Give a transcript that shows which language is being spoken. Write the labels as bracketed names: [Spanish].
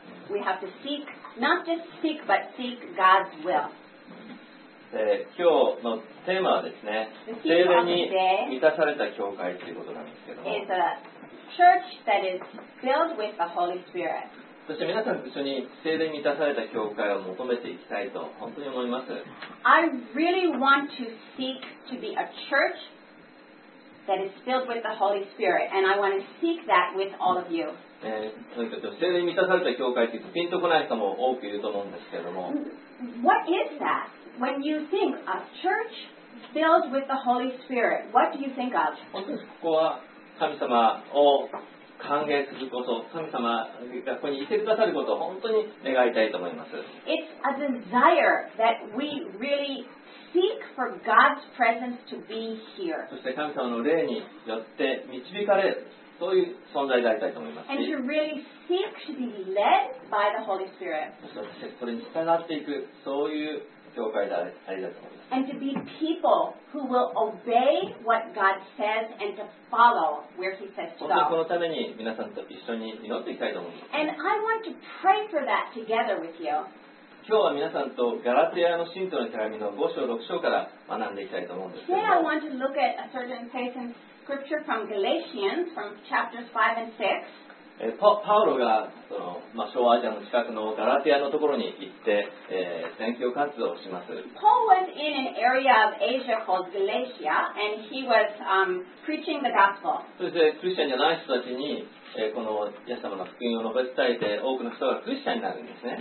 [English] We have to seek, not just seek, but seek God's will. [Japanese] 今日のテーマはですね、聖霊に満たされた教会ということなんですけど。 [English] It's a church that is filled with the Holy Spirit. [Japanese] そして皆さん一緒に聖霊に満たされた教会を求めていきたいと本当に思います。 [English] I really want to seek to be a church that is filled with the Holy Spirit, and I want to seek that with all of you. [Japanese] 聖霊に満たされた教会ってピンとこない人も多くいると思うんですけども。 [English] What is that? When you think a church filled with the Holy Spirit, what do you think of? [Japanese] 本当にここは神様を歓迎すること、神様がここにいてくださることを本当に願いたいと思います。 [English] It's a desire that we really seek for God's presence to be here. [Japanese] そして神様の霊によって導かれる、そういう存在でありたいと思います。 [English] And to really seek to be led by the Holy Spirit. [Japanese] そしてそれに従っていく、そういう教会でありたいと思います。 [English] And to be people who will obey what God says and to follow where He says to go. [Japanese] このために皆さんと一緒に祈っていきたいと思います。 [English] And I want to pray for that together with you. [Japanese] 今日は皆さんとガラテヤの信徒の手紙の5章6章から学んでいきたいと思うんですけど。 [English] Today I want to look at a certain place in Scripture from Galatians, from chapters 5 and 6. [Japanese] パウロがその、まあ、小アジアの近くのガラティアのところに行って、宣教活動をします。 [English] Paul was in an area of Asia called Galatia, and he was preaching the gospel. [Japanese] そしてクリスチャンじゃない人たちに、このイエス様の福音を述べ伝えて、多くの人がクリスチャンになるんですね。